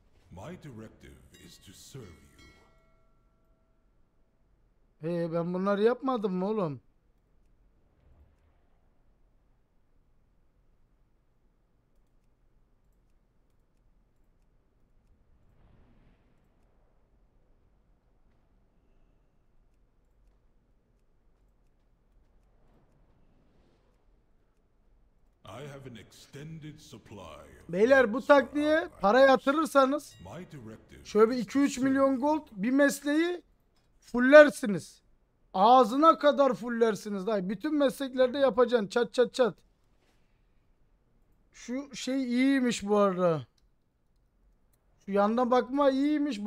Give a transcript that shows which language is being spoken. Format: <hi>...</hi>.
<en>My directive is to serve you.</en> <tr>Hey, ben bunları yapmadım mı oğlum?</tr> <en>I have an extended supply.</en> <tr>Beyler bu taktiğe para yatırırsanız şöyle bir 2-3 milyon gold bir mesleği fullersiniz. Ağzına kadar fullersiniz. Hayır, bütün mesleklerde yapacaksın çat çat çat. Şu şey iyiymiş bu arada. Şu yandan bakma iyiymiş.</tr>